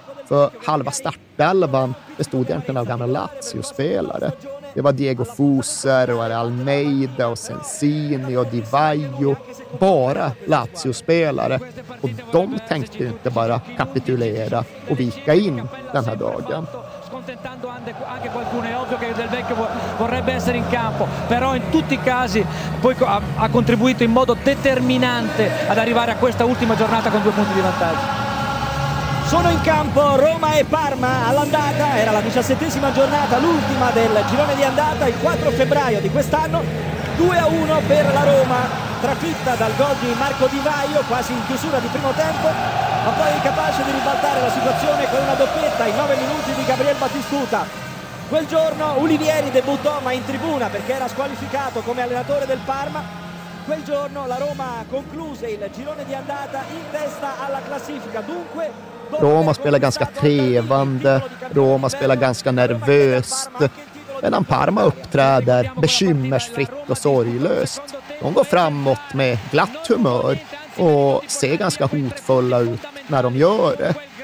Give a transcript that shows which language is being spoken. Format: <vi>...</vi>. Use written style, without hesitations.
<sv>För halva startelvan bestod egentligen av gamla Lazio-spelare. Det var Diego Fuser och Almeida och Sensini och Di Vaio. Bara Lazio-spelare. Och de tänkte ju inte bara kapitulera och vika in den här dagen.</sv> <it>Scontentando anche qualcuno, è ovvio che Del Vecchio vorrebbe essere in campo, però in tutti i casi poi ha contribuito in modo determinante ad arrivare a questa ultima giornata con due punti di vantaggio. Sono in campo Roma e Parma all'andata, era la 17ª giornata, l'ultima del girone di andata, il 4 febbraio di quest'anno, 2-1 per la Roma, trafitta dal gol di Marco Di Vaio, quasi in chiusura di primo tempo, ma poi incapace di ribaltare la situazione con una doppietta in 9 minuti di Gabriel Batistuta. Quel giorno Olivieri debuttò, ma in tribuna perché era squalificato come allenatore del Parma. Quel giorno la Roma concluse il girone di andata in testa alla classifica, dunque...</it> <sv>Roma spelar ganska trevande, Roma spelar ganska nervöst, medan Parma uppträder bekymmersfritt och sorglöst. De går framåt med glatt humör och ser ganska hotfulla ut när de gör det.</sv>